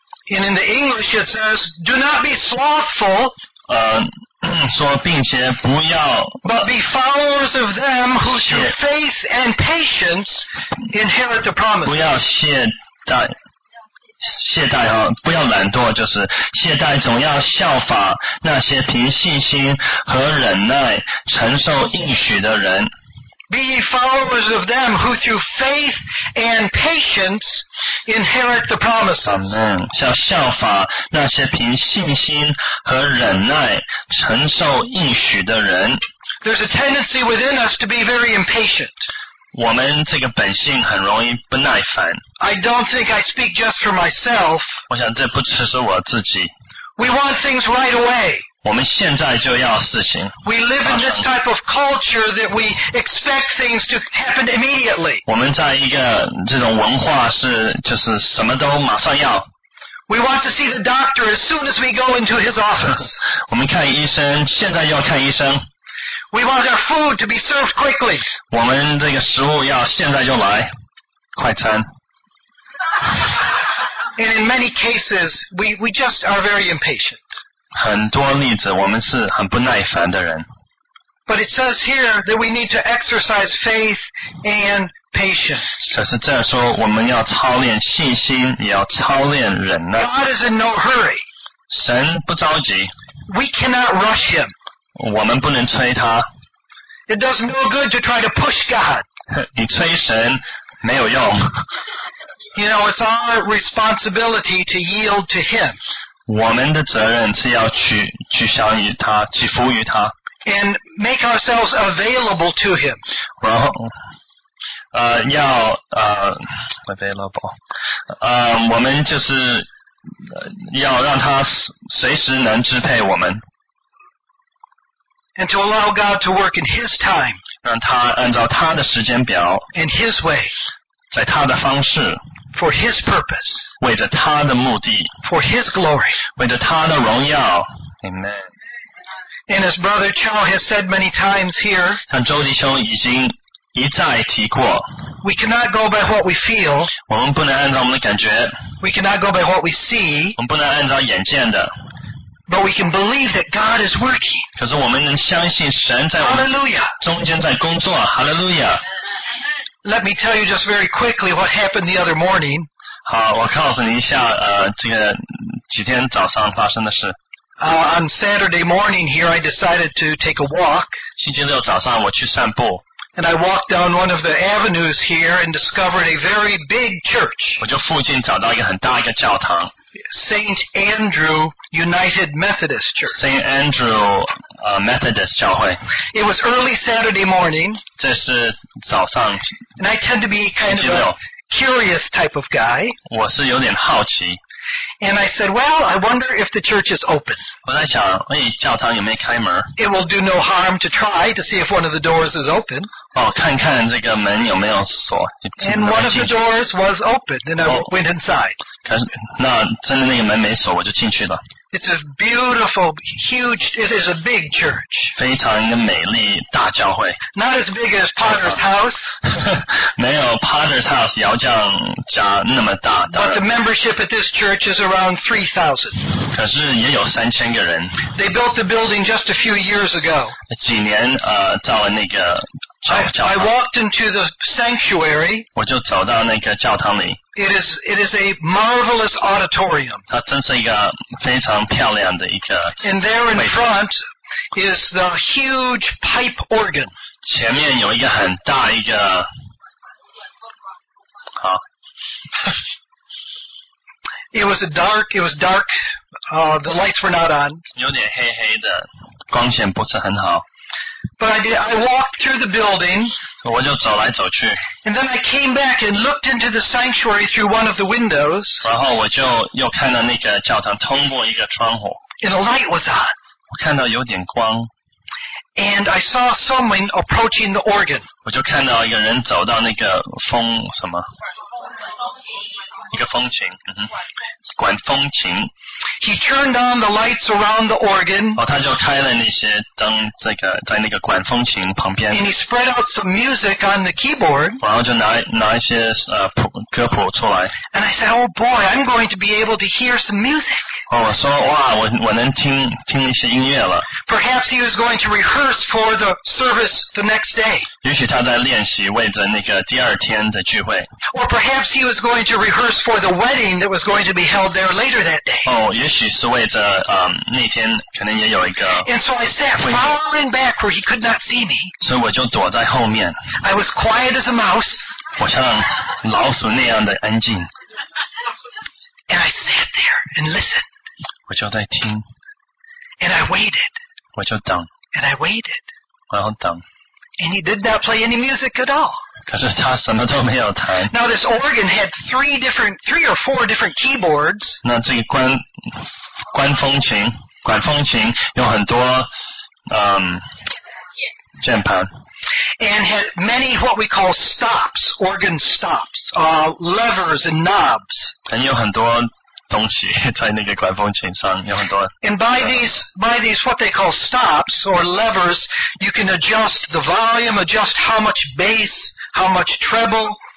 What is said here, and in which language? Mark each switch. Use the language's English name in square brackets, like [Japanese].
[English] and in the English it says, do not be slothful, [Chinese] 说并且不要, [English] but be followers of them who through faith and patience inherit the promises. [Chinese] 不要懈怠。懈怠啊，不要懒惰，就是懈怠，总要效法那些凭信心和忍耐承受应许的人。 [English] Be ye followers of them who through faith and patience inherit the promises. Amen. [Chinese] 要效法那些凭信心和忍耐承受应许的人。 [English] There's a tendency within us to be very impatient. [Chinese] 我们这个本性很容易不耐烦。 [English] I don't think I speak just for myself. [Chinese] 我想这不只是我自己。 [English] We want things right away. [Chinese] 我们现在就要事情。 [English] We live in this type of culture that we expect things to happen immediately. [Chinese] 我们在一个这种文化是就是什么都马上要。 [English] We want to see the doctor as soon as we go into his office. [Chinese] 我们看医生，现在要看医生。 [English] We want our food to be served quickly. [Chinese] 我们这个食物要现在就来，快餐。 [English] And in many cases, we just are very impatient. [Chinese] 很多例子，我们是很不耐烦的人。 [English] But it says here that we need to exercise faith and patience. [Chinese] 可是这说我们要操练信心，也要操练忍耐。 [English] God is in no hurry. [Chinese] 神不着急。 [English] We cannot rush him. [Chinese] 我们不能催他。 [English] It does no good to try to push God. [Chinese] 你催神没有用。 [English] You know, it's our responsibility to yield to Him. [Chinese] 我们的责任是要屈向于他，屈服于他。 [English] And make ourselves available to Him. [Chinese] 然后，要 [English] available. [Chinese] 我们就是要让他随时能支配我们。 [English] And to allow God to work in His time. [Chinese] 让他按照他的时间表。 [English] In His way. [Chinese] 在他的方式。 [English] For His purpose. [Chinese] 为着他的目的。 [English] For His glory. [Chinese] 为着他的荣耀。Amen. [English] And as Brother Chow has said many times here. [Chinese] 像周弟兄已经一再提过。 [English] We cannot go by what we feel. [Chinese] 我们不能按照我们的感觉。 [English] We cannot go by what we see. [Chinese] 我们不能按照眼见的。 [English] But we can believe that God is working. [Chinese] 可是我们能相信神在我们中间在工作。 [English] Hallelujah. Let me tell you just very quickly what happened the other morning. [Chinese] 好，我告诉你一下，这个几天早上发生的事。 [English] On Saturday morning here, I decided to take a walk. [Chinese] 星期六早上我去散步。 [English] And I walked down one of the avenues here and discovered a very big church. [Chinese] 我就附近找到一个很大一个教堂。 [English] St. Andrew United Methodist Church. [Chinese] St. Andrew Methodist 教会. [English] It was early Saturday morning. [Chinese] 这是早上. [English] And I tend to be kind of a curious type of guy. [Chinese] 我是有点好奇. [English] And I said, well, I wonder if the church is open. [Chinese] 我在想，哎，教堂有没有开门？ [English] It will do no harm to try to see if one of the doors is open. [Chinese] 哦，看看这个门有没有锁。 [English] And one of the doors was open, and I went inside. [Chinese] 那真的那个门没锁，我就进去了。 [English] It's a beautiful, huge. It is a big church. [Chinese] 非常一个美丽大教会。 [English] Not as big as Potter's House. [Chinese] 没有 Potter's House 姚将家那么大。 [English] But the membership at this church is around 3,000. [Chinese] 可是也有三千个人。 [English] They built the building just a few years ago. [Chinese] 几年造了那个教堂。 [English] I walked into the sanctuary. [Chinese] 我就走到那个教堂里。 [English] It is a marvelous auditorium. [Chinese] 它真是一个非常漂亮的一个。 [English] And there in front is the huge pipe organ. [Chinese] 前面有一个很大一个。好。 [English] It was dark. The lights were not on. [Chinese] 有点黑黑的，光线不是很好。 [English] But I walked through the building. [Chinese] 我就走来走去。 [English] And then I came back and looked into the sanctuary through one of the windows. [Chinese] 然后我就又看到那个教堂通过一个窗户。 [English] And the light was on. [Chinese] 我看到有点光。 [English] And I saw someone approaching the organ. [Chinese] 我就看到一个人走到那个风什么，一个风琴，嗯哼，管风琴。 [English] He turned on the lights around the organ. [Chinese] 哦，他就开了那些灯，这个在那个管风琴旁边。 [English] And he spread out some music on the keyboard. [Chinese] 然后就拿一些歌谱出来。 [English] And I said, "Oh boy, I'm going to be able to hear some music." [Chinese] 哦，我说哇，我能听一些音乐了。 [English] Perhaps he was going to rehearse for the service the next day. [Chinese] 也许他在练习为着那个第二天的聚会。 [English] Or perhaps he was going to rehearse for the wedding that was going to be held there later that day. [Chinese] 哦，也许是为着那天可能也有一个。 [English] And so I sat far in back where he could not see me. [Chinese] 所以我就躲在后面。 [English] I was quiet as a mouse. [Chinese] 我像老鼠那样的安静。 [English] And I sat there and listened. [Chinese] 我就在听。 [English] And I waited. [Chinese] 我就等。 [English] And I waited. [Chinese] 然后等。 [English] And he did not play any music at all. [Chinese] 可是他什么都没有弹。 [English] Now this organ had three or four different keyboards. [Chinese] 那这个管风琴有很多键盘。 [English] And had many what we call stops, organ stops, levers and knobs. [Chinese] 有很多东西在那个管风琴上，有很多。 [English] And by these what they call stops or levers, you can adjust the volume, adjust how much bass, how much treble.